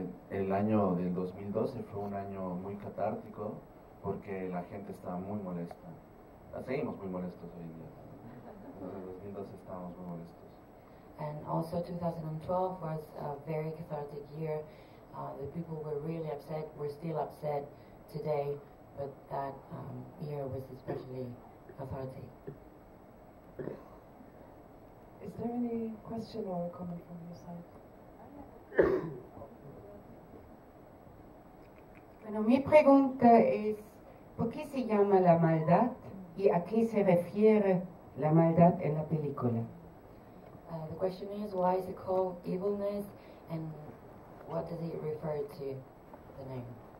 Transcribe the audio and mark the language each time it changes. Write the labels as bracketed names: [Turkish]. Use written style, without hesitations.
[Spanish] El año del 2012 fue un año muy catártico porque la gente estaba muy molesta. Seguimos muy molestos hoy en día. En el 2012 estábamos muy molestos. [English] And also 2012 was a very cathartic year. The people were really upset, were still upset today, but that year was especially cathartic. Is there any question or comment from your side? [Spanish] Bueno, mi pregunta es, ¿por qué se llama la maldad y a qué se refiere la maldad en la película? [English] The question is, why is it called evilness and what does it refer to the name?